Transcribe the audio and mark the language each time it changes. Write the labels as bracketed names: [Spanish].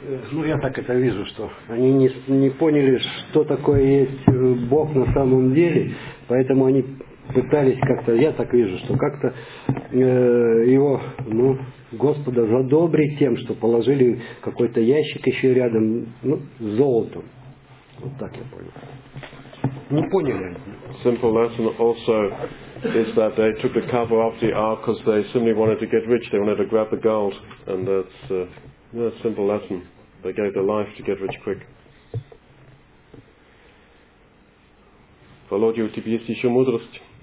[Russian] Ну, я так это вижу, что они не поняли, что такое есть Бог на самом деле, поэтому они пытались как-то, я так вижу, что как-то его, ну, Господа задобрить тем, что положили какой-то ящик еще рядом, ну, с золотом. Вот так я понял. Не поняли. [English] Simple lesson also is that they took the cover off the ark because they simply wanted to get rich, they wanted to grab the gold, and that's a simple lesson. They gave their life to get rich quick. [Russian] Володя, у тебя есть еще мудрость?